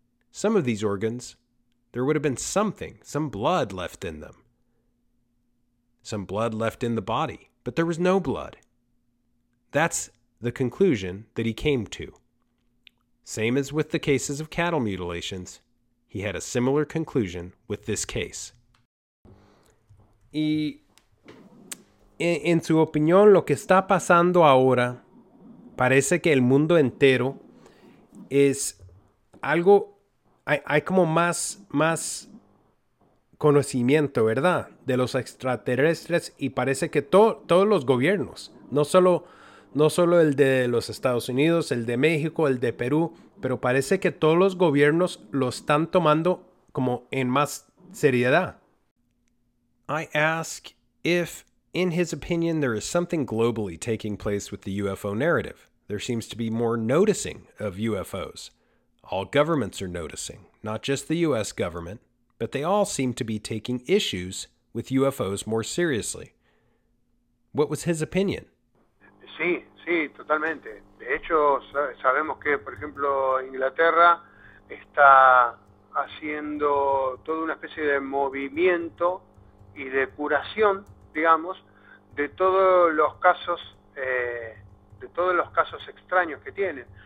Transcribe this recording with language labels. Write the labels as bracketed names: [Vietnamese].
[English] Some of these organs, there would have been something, some blood left in them. Some blood left in the body, but there was no blood. That's the conclusion that he came to. Same as with the cases of cattle mutilations, he had a similar conclusion with this case. [Spanish] Y en su opinión, lo que está pasando ahora, parece que el mundo entero es algo, hay como más conocimiento, ¿verdad? De los extraterrestres, y parece que todos los gobiernos, no solo el de los Estados Unidos, el de México, el de Perú, pero parece que todos los gobiernos lo están tomando como en más seriedad. [English] I ask if, in his opinion, there is something globally taking place with the UFO narrative, there seems to be more noticing of UFOs. All governments are noticing, not just the U.S. government, but they all seem to be taking issues with UFOs more seriously. What was his opinion? [Spanish] Sí, sí, totalmente. De hecho, sabemos que, por ejemplo, Inglaterra está haciendo toda una especie de movimiento y de curación, digamos, de todos los casos extraños que tienen.